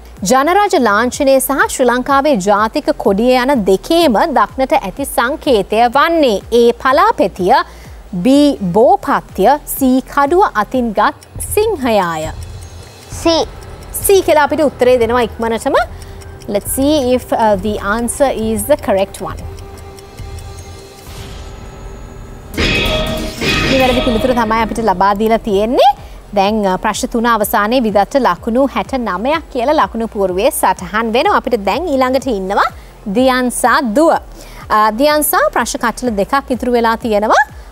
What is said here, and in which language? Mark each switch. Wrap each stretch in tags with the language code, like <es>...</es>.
<si>ජනරාජ ලාංඡනය සහ ශ්‍රී ලංකාවේ ජාතික කොඩිය යන දෙකේම දක්නට ඇති සංකේතය වන්නේ ඒ පලාපෙතිය, B බෝපත්‍ය, C කඩුව අතින්ගත් සිංහයාය. C සී කියලා අපිට උත්තරේ දෙනවා ඉක්මනටම.</si> <en>Let's see if the answer is the correct one.</en> <si>නිවැරදි පිළිතුර තමයි අපිට ලබා දීලා තියෙන්නේ. දැන් ප්‍රශ්න තුන අවසානයේ විදත්ට ලකුණු 69ක් කියලා ලකුණු පූර්වයේ සටහන් වෙනවා. අපිට දැන් ඊළඟට ඉන්නවා දියන්සා දුව. දියන්සා ප්‍රශ්න කට්ටල දෙකක් ඉතුරු වෙලා තියෙනවා.</si>